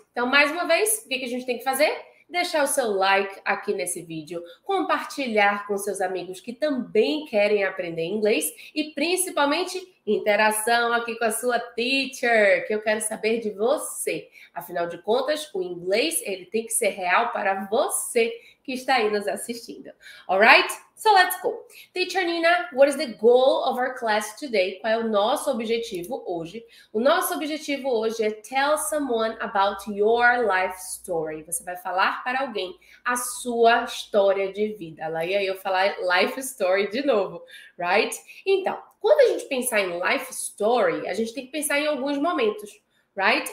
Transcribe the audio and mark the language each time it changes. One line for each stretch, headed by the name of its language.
Portuguese: Então, mais uma vez, o que a gente tem que fazer? Deixar o seu like aqui nesse vídeo, compartilhar com seus amigos que também querem aprender inglês e, principalmente, interação aqui com a sua teacher, que eu quero saber de você. Afinal de contas, o inglês ele tem que ser real para você que está aí nos assistindo.
English: All right? So let's go. Teacher Nina, what is the goal of our class today?
Portuguese: Qual é o nosso objetivo hoje? O nosso objetivo hoje é
English: tell someone about your life story.
Portuguese: Você vai falar para alguém a sua história de vida. Lá ia eu falar life story de novo, right? Então, quando a gente pensar em life story, a gente tem que pensar em alguns momentos, right?